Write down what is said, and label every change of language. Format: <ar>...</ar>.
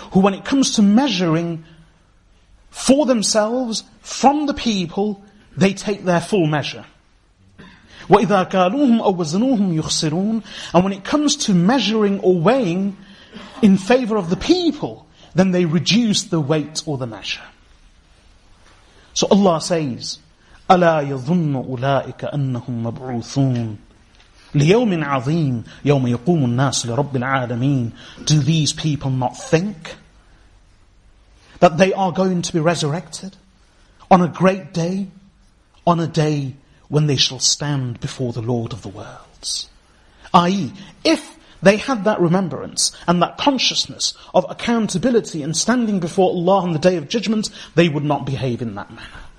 <en>Who, when it comes to measuring for themselves, from the people, they take their full measure.</en> <ar>وَإِذَا كَالُوهُمْ أَوْ وَزَنُوهُمْ يُخْسِرُونَ.</ar> <en>And when it comes to measuring or weighing in favor of the people, then they reduce the weight or the measure. So Allah says,</en> <ar>أَلَا يَظُنُّ أُولَٰئِكَ أَنَّهُمْ مَبْعُوثُونَ لِيَوْمٍ عَظِيمٍ يَوْمَ يَقُومُ النَّاسُ لِرَبِّ الْعَالَمِينَ.</ar> <en>Do these people not think that they are going to be resurrected on a great day, on a day when they shall stand before the Lord of the worlds? I.e., if they had that remembrance and that consciousness of accountability and standing before Allah on the Day of Judgment, they would not behave in that manner.</en>